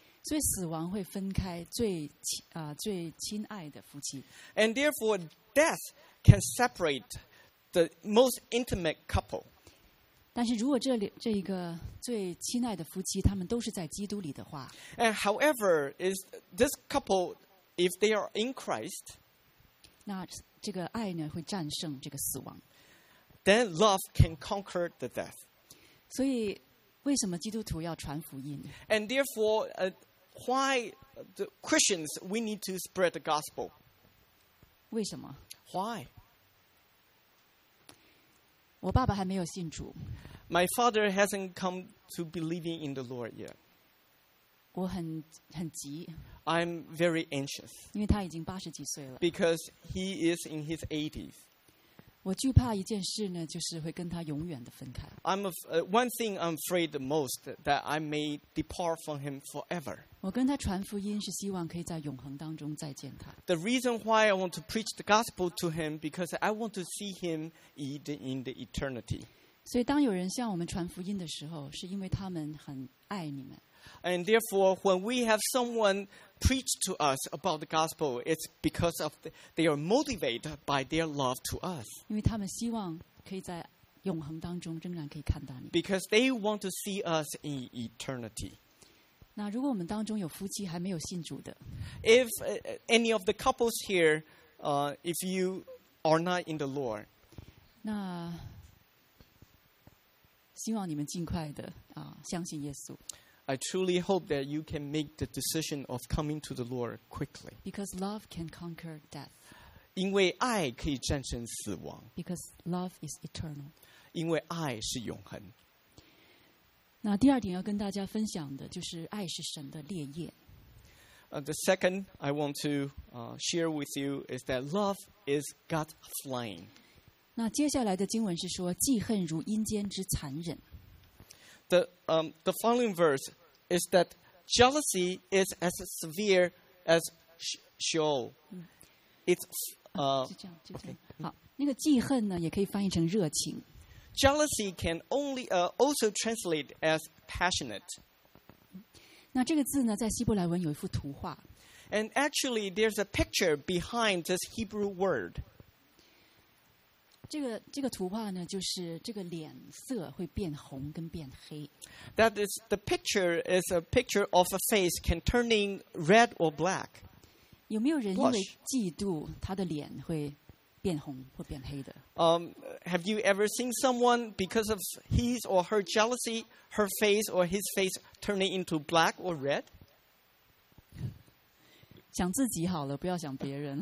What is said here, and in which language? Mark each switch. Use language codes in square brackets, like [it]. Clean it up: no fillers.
[zh] 所以死亡会分开最最亲爱的夫妻。 [en] And therefore, death can separate the most intimate couple. [zh] 但是如果这一个最亲爱的夫妻他们都是在基督里的话 [en] And however, is this couple, if they are in Christ, [zh] 那这个爱呢会战胜这个死亡。 [en] Then love can conquer the death. [zh] 所以为什么基督徒要传福音 [en] And therefore, why the Christians, we need to spread the gospel? [zh] 为什么 [en] Why? [zh] 我爸爸还没有信主。 [en] My father hasn't come to believing in the Lord yet. [zh] 我很急。 [en] I'm very anxious. [zh] 因为他已经八十几岁了。 [en] Because he is in his 80s. [zh] 我惧怕一件事呢，就是会跟他永远的分开。 [en] One thing I'm afraid the most that I may depart from him forever. [zh] 我跟他传福音是希望可以在永恒当中再见他。 [en] The reason why I want to preach the gospel to him because I want to see him in the eternity. [zh] 所以当有人向我们传福音的时候，是因为他们很爱你们。 [en] And therefore, when we have someone preach to us about the gospel, it's because of they are motivated by their love to us. [zh] 因为他们希望可以在永恒当中仍然可以看到你。 [en] Because they want to see us in eternity. [zh] 那如果我们当中有夫妻还没有信主的 [en] ，If any of the couples here, if you are not in the Lord, [zh] 那希望你们尽快的相信耶稣。 [en] I truly hope that you can make the decision of coming to the Lord quickly. Because love can conquer death. [zh] 因为爱可以战胜死亡。 [en] Because love is eternal. [zh] 因为爱是永恒。那第二点要跟大家分享的就是爱是神的烈焰。 [en] The second I want to share with you is that love is God's flame. [zh] 那接下来的经文是说，记恨如阴间之残忍。 [en] The following verse is that jealousy is as severe as Sheol. It's okay. [zh] 好，那个记恨呢，也可以翻译成热情。 [en] Jealousy can only also translate as passionate. [zh] 那这个字呢，在希伯来文有一幅图画。 [en] And actually, there's a picture behind this Hebrew word. [zh] 这个图画呢，就是这个脸色会变红跟变黑。 [en] That is the picture is a picture of a face can turning red or black. [zh] 有没有人因为嫉妒，他的脸会变红或变黑的 [en] ？Have you ever seen someone because of his or her jealousy, her face or his face turning into black or red? [zh] 想自己好了，不要想别人。